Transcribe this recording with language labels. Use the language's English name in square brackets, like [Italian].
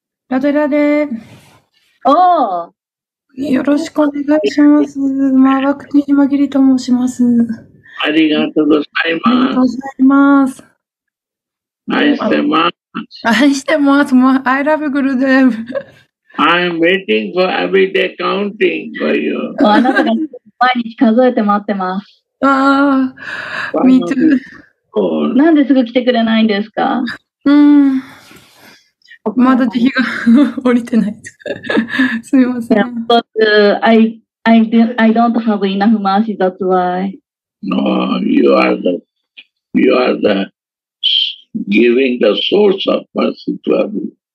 [Japanese] ラデラデ。おお。よろしくお願いします。マーバクティジマギリと申します。ありがとうございます。ありがとうございます。愛してます。愛してます。 [English] I love [Japanese] グルデーブ。 [English] I'm waiting for every day counting for you。 [Japanese] あなたが毎日数えて待ってます。 [English] ああ、me too。 [Japanese] なんですぐ来てくれないんですか。うん、まだ慈悲が降りてないすみません。 [English] Yeah, but, I don't have enough mercy, that's why. No, you are the giving the source of mercy to everyone.